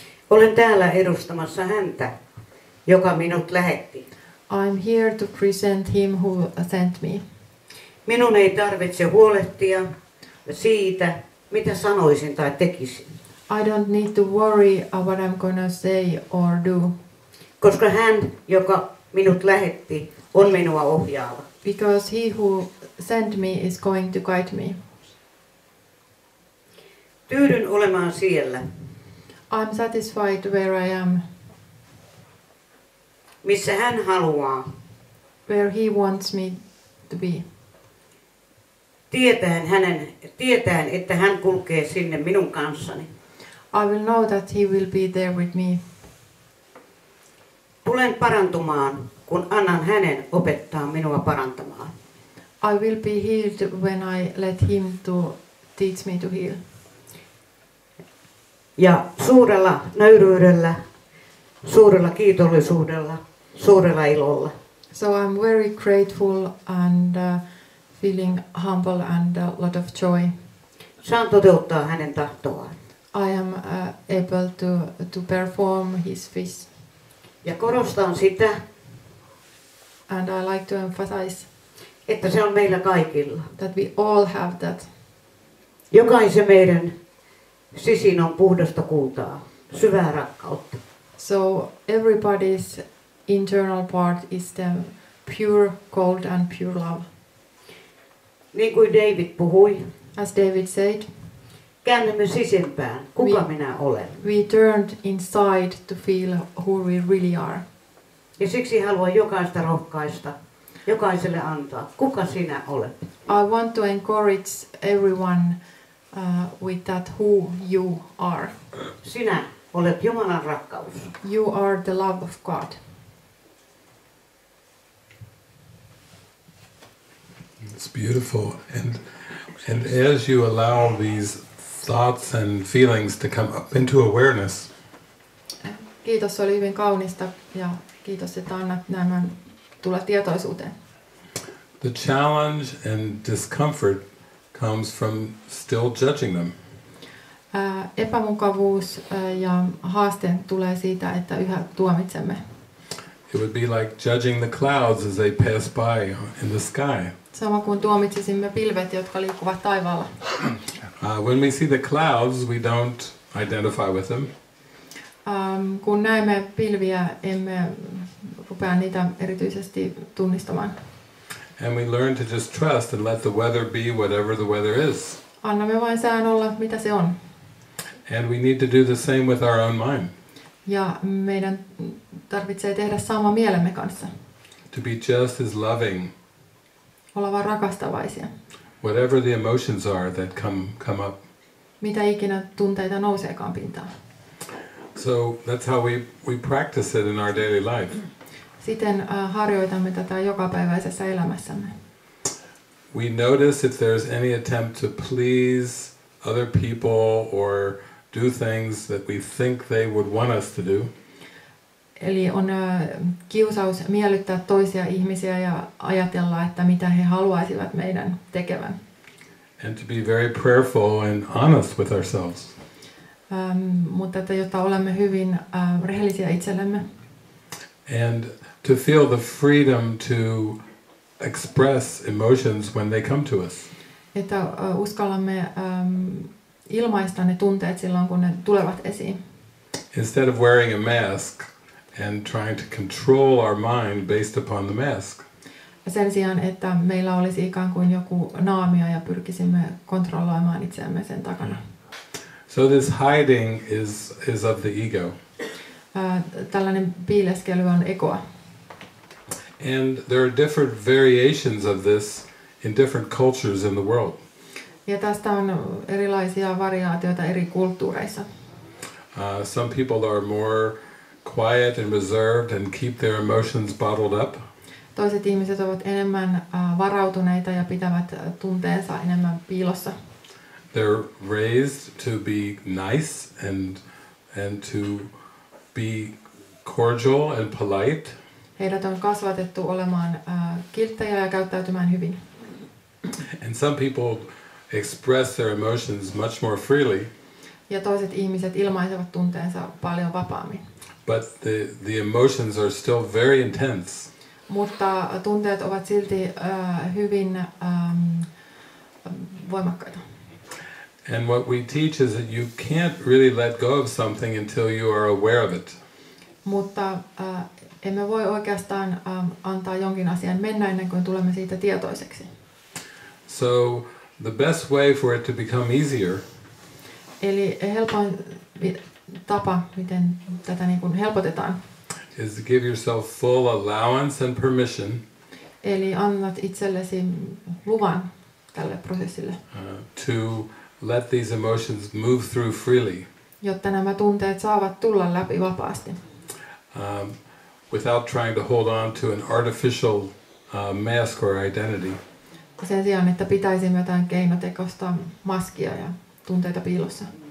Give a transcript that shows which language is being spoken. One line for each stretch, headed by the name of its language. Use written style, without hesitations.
Finnish: Olen täällä edustamassa häntä, joka minut lähetti.
English: I'm here to present him who sent me.
Finnish: Minun ei tarvitse huolehtia siitä, mitä sanoisin tai tekisin.
English: I don't need to worry what I'm gonna say or do.
Finnish: Koska hän, joka minut lähetti, on minua ohjaava.
English: Because he who sent me is going to guide me.
Finnish: Tyydyn olemaan siellä.
English: I'm satisfied where I am.
Finnish: Missä hän haluaa,
English: where he wants me to be.
Finnish: Tietään hänen, tietään, että hän kulkee sinne minun kanssani.
English: I will know that he will be there with me.
Finnish: Tulen parantumaan, kun annan hänen opettaa minua parantamaan.
English: I will be healed when I let him to teach me to heal.
Finnish: Ja suurella nöyryydellä, suurella kiitollisuudella, suurella ilolla.
English: So I'm very grateful and feeling humble and a lot of joy.
Finnish: Saan toteuttaa hänen tahtoaan.
English: I am able to perform his wish.
Finnish: Ja korostan sitä.
English: And I like to emphasize.
Finnish: Että se on meillä kaikilla.
English: That we all have that.
Finnish: Jokaisen meidän sisin on puhdasta kultaa, syvää rakkautta.
English: So everybody's internal part is the pure gold and pure love.
Finnish: Niin kuin David puhui.
English: As David said.
Finnish: Käännymme sisimpään, kuka minä olen.
English: We turned inside to feel who we really are.
Finnish: Ja siksi haluan jokaista rohkaista, jokaiselle antaa, kuka sinä olet.
English: I want to encourage everyone with that who you are.
Finnish: Sinä olet Jumalan rakkaus.
English: You are the love of God. It's beautiful. And as you allow these thoughts and feelings to come up into awareness.
Finnish: Kiitos, oli hyvin kaunista ja kiitos, että annat nämä tulla tietoisuuteen.
English: The challenge and discomfort comes from still judging them.
Finnish: Epämukavuus ja haaste tulee siitä, että yhä tuomitsemme.
English: It would be like judging the clouds as they pass by in the sky.
Finnish: Sama kuin tuomitsisimme pilvet, jotka liikkuvat taivaalla.
English: When we see the clouds, we don't identify with them.
Finnish: Kun näemme pilviä, emme rupea niitä erityisesti tunnistamaan.
English: And we learn to just trust and let the weather be whatever the weather is.
Finnish: Annamme vain sään olla, mitä se on.
English: And we need to do the same with our own mind.
Finnish: Ja meidän tarvitsee tehdä sama mielemme kanssa.
English: To be just as loving.
Finnish: Olla vaan rakastavaisia.
English: Whatever the emotions are that come up.
Finnish: Mitä ikinä tunteita nouseekaan pintaan.
English: So that's how we practice it in our daily life.
Finnish: Siten harjoitamme tätä jokapäiväisessä elämässämme.
English: We notice if there's any attempt to please other people or do things that we think they would want us to do.
Finnish: Eli on kiusaus miellyttää toisia ihmisiä ja ajatella, että mitä he haluaisivat meidän tekevän.
English: And to be very prayerful and honest with ourselves.
Finnish: Mutta että jotta olemme hyvin rehellisiä itsellemme.
English: And to feel the freedom to express emotions when they come to us.
Finnish: Että uskallamme ilmaista ne tunteet silloin, kun ne tulevat esiin.
English: Instead of wearing a mask and trying to control our mind based upon the mask.
Finnish: Sen sijaan, että meillä olisi ikään kuin joku naamio ja pyrkisimme kontrolloimaan itseämme sen takana.
English: So this hiding is of the ego.
Finnish: Tällainen piileskely on egoa.
English: And there are different variations of this in different cultures in the world.
Finnish: Ja tästä on erilaisia variaatioita eri kulttuureissa.
English: Some people are more quiet and reserved and keep their emotions bottled up.
Finnish: Toiset ihmiset ovat enemmän varautuneita ja pitävät tunteensa enemmän piilossa.
English: They're raised to be nice and to be cordial and polite.
Finnish: Heidät on kasvatettu olemaan kilttejä ja käyttäytymään hyvin.
English: And some people express their emotions much more freely.
Finnish: Ja toiset ihmiset ilmaisevat tunteensa paljon vapaammin.
English: But the emotions are still very intense.
Finnish: Mutta tunteet ovat silti hyvin voimakkaita.
English: And what we teach is that you can't really let go of something until you are aware of it.
Finnish: Mutta emme voi oikeastaan antaa jonkin asian mennä ennen kuin tulemme siitä tietoiseksi.
English: So the best way for it to become easier.
Finnish: Eli helpoin tapa, miten tätä niin kuin helpotetaan.
English: Is to give yourself full allowance and permission.
Finnish: Eli annat itsellesi luvan tälle prosessille.
English: To let these emotions move through freely.
Finnish: Jotta nämä tunteet saavat tulla läpi vapaasti.
English: Without trying to hold on to an artificial mask or identity.
Finnish: Sen sijaan, että pitäisimme jotain keinotekoista maskia ja tunteita piilossa.